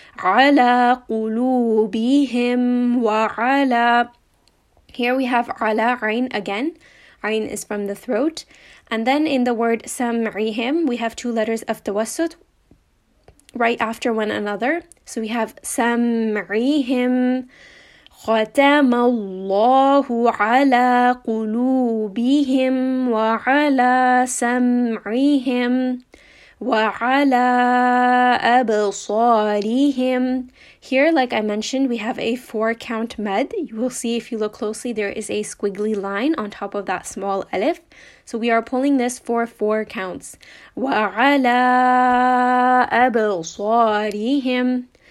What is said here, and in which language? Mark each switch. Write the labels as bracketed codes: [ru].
[ar] Ala qulubihim wa ala. [en] Here we have ala ayn again. Ayn is from the throat. And then in the word sam'ihim, we have two letters of tawassut right after one another. So we have sam'ihim. [ar] ختم الله على قلوبهم وعلى سمعهم. وعلى أبصارهم. [en] Here, like I mentioned, we have a four count med. You will see if you look closely, there is a squiggly line on top of that small alif. So we are pulling this for four counts. [ar] وعلى أبصارهم.